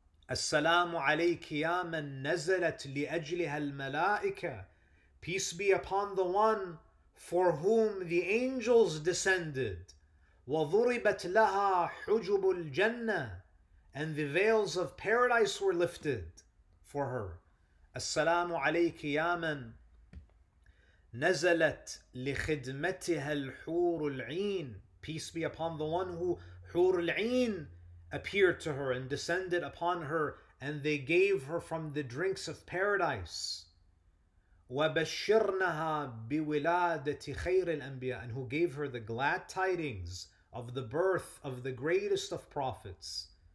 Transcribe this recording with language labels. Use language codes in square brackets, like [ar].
[ar] السلام عليك يا من نزلت لأجلها الملائكة. [en] Peace be upon the one for whom the angels descended. [ar] وَضُرِبَتْ لَهَا حُجُبُ الْجَنَّةِ. [en] And the veils of paradise were lifted for her. [ar] السلام عليك يا من نزلت لخدمتها الحور العين. [en] Peace be upon the one who حور العين appeared to her and descended upon her, and they gave her from the drinks of paradise. [ar] وَبَشِّرْنَهَا بِوِلَادَةِ خَيْرِ الْأَنْبِيَاءِ. [en] And who gave her the glad tidings of the birth of the greatest of prophets.